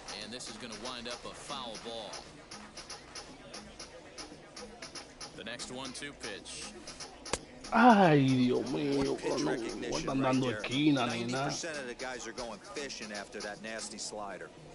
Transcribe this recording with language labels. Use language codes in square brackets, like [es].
[en] And this is going to wind up a foul ball. The next 1-2 pitch. [es] Ay, Dios mío, no están dando esquina ni nada. [en] The guys are going fishing after that nasty slider.